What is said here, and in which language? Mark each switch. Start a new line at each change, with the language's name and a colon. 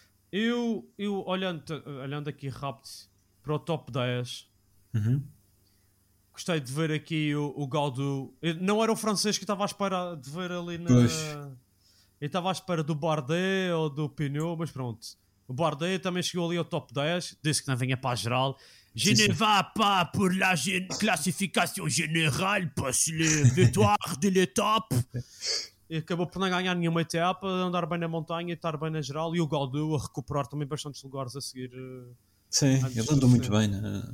Portuguese: Eu olhando aqui rápido para o top 10, uhum. gostei de ver aqui o Gaudu. Não era o francês que estava à espera de ver ali na... Pois. Eu estava à espera do Bardet ou do Pinot, mas pronto. O Bardet também chegou ali ao top 10. Disse que não vinha para a geral.
French: Je ne vais pas pour la classification générale parce que victoire de l'étape.
Portuguese: E acabou por não ganhar nenhuma etapa, andar bem na montanha e estar bem na geral. E o Gaudu a recuperar também bastantes lugares a seguir. Sim, ele andou muito bem, né?